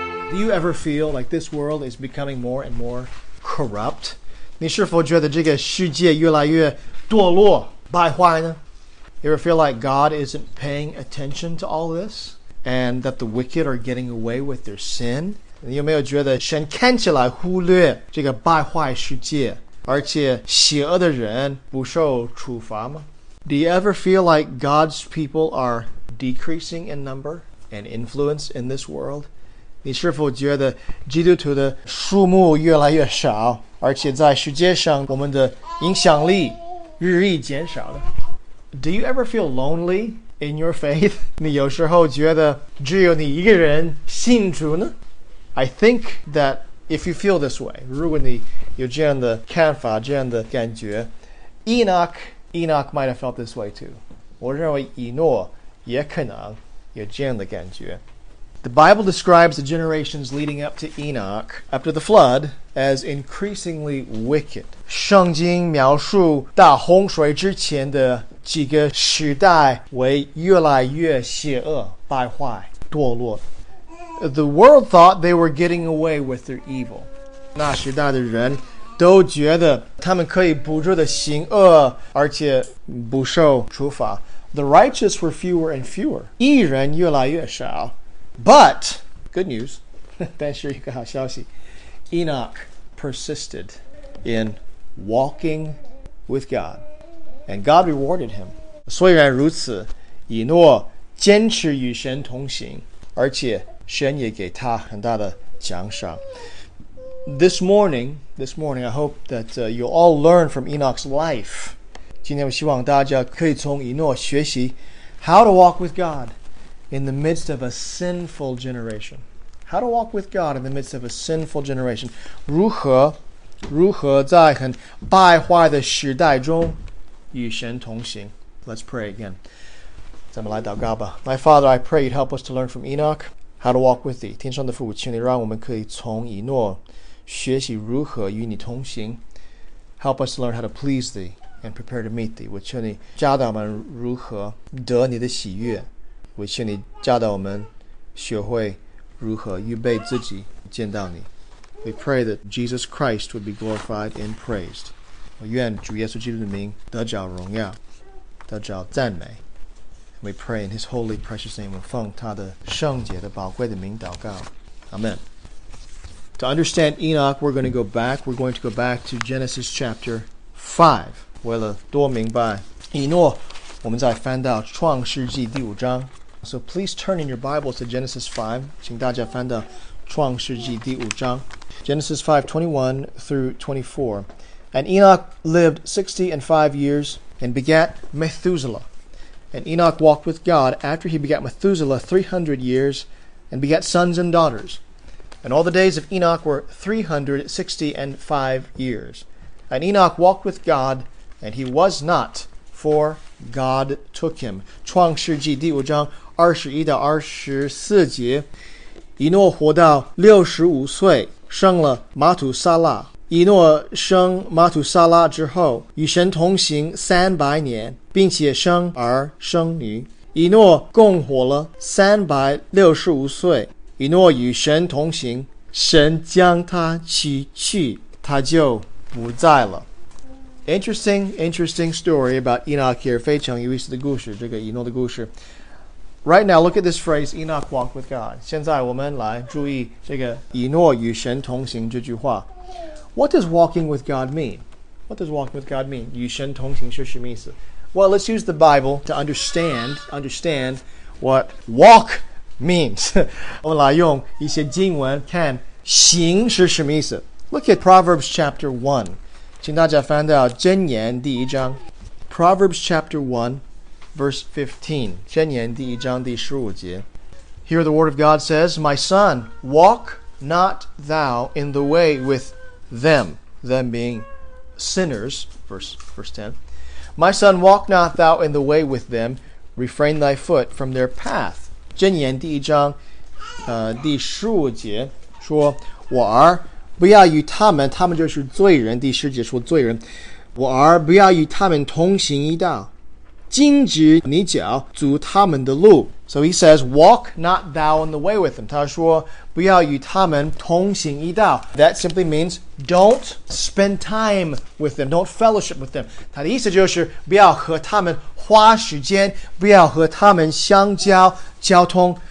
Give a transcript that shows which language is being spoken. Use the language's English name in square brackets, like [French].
[English] Do you ever feel like this world is becoming more and more corrupt? [Chinese] 你是否觉得这个世界越来越堕落败坏呢？ [English] You ever feel like God isn't paying attention to all this? And that the wicked are getting away with their sin? [Chinese] 你有没有觉得神看起来忽略这个败坏世界，而且邪恶的人不受处罚吗？ [English] Do you ever feel like God's people are decreasing in number and influence in this world? [Chinese] 你是否觉得基督徒的数目越来越少，而且在世界上我们的影响力日益减少了？ [English] Do you ever feel lonely in your faith? [Chinese] 你有时候觉得只有你一个人信主呢？ [English] I think that if you feel this way, [Chinese] 如果你有这样的看法，这样的感觉， [English] Enoch might have felt this way too. [Chinese] 我认为以诺也可能有这样的感觉。 [English] The Bible describes the generations leading up to Enoch, after the flood, as increasingly wicked. [Chinese] 圣经描述大洪水之前的几个时代为越来越邪恶、败坏、堕落。 [English] The world thought they were getting away with their evil. [Chinese] 那时代的人都觉得他们可以不住的行恶，而且不受处罚。 [English] The righteous were fewer and fewer. [Chinese] 义人越来越少。 [English] But, good news, [Chinese] 但是一个好消息, [English] Enoch persisted in walking with God, and God rewarded him. [Chinese] 虽然如此,以诺坚持与神同行,而且神也给他很大的奖赏。 [English] This morning, I hope that you'll all learn from Enoch's life. [Chinese] 今天我希望大家可以从以诺学习 [English] how to walk with God. In the midst of a sinful generation. How to walk with God in the midst of a sinful generation. [Chinese] 如何在很败坏的时代中与神同行。 [English] Let's pray again. [Chinese] 咱们来祷告吧。 [English] My Father, I pray you'd help us to learn from Enoch how to walk with thee. [Chinese] 天上的父，请你让我们可以从以诺学习如何与你同行。 [English] Help us to learn how to please thee and prepare to meet thee. [Chinese] 我求你教导我们如何得你的喜悦。我求你教导我们学会如何预备自己见到你。 [English] We pray that Jesus Christ would be glorified and praised. [Chinese] 我愿主耶稣基督的名得着荣耀，得着赞美。 [English] We pray in his holy precious name, [Chinese] 我奉他的圣洁的宝贵的名祷告。 [English] Amen. To understand Enoch, we're going to go back to Genesis chapter 5. [Chinese] 为了多明白以诺，我们再翻到创世纪第五章。 [English] So please turn in your Bibles to Genesis 5. [Chinese] 请大家翻到创世纪第五章。 [English] Genesis 5, 21 through 24. And Enoch lived 65 years and begat Methuselah. And Enoch walked with God after he begat Methuselah 300 years and begat sons and daughters. And all the days of Enoch were 365 years. And Enoch walked with God and he was not, for God took him. [Chinese] 创世纪第五章。二十一到二十四节，以诺活到65岁，生了马土撒拉。以诺生马土撒拉之后，与神同行300年，并且生儿生女。以诺共活了365岁。以诺与神同行，神将他取去，他就不在了。 [English] Interesting story about Enoch here. [Chinese] 非常有意思的故事，这个以诺的故事。 [English] Right now, look at this phrase, Enoch walked with God. [Chinese] 现在我们来注意这个以诺与神同行这句话。 [English] What does walking with God mean? What does walking with God mean? [Chinese] 与神同行是什么意思? [English] Well, let's use the Bible to understand what walk means. [Chinese] 我们来用一些经文看行是什么意思。 [English] Look at Proverbs chapter 1. [Chinese] 请大家翻到箴言第一章。 [English] Proverbs chapter 1. Verse 15, [Chinese] 箴言第一章第十五节。 [English] Here the word of God says, My son, walk not thou in the way with them, them being sinners, verse 10. My son, walk not thou in the way with them, refrain thy foot from their path. [Chinese] 箴言第一章第十五节说，我儿，不要与他们，他们就是罪人，第十节说罪人，我儿，不要与他们同行一道。禁止你脚阻他们的路， [English] So he says, walk not thou in the way with them. [Chinese] 他说,不要与他们同行一道. [English] That simply means, don't spend time with them. Don't fellowship with them. [Chinese] 他的意思就是,不要和他们花时间,不要和他们相交,交通.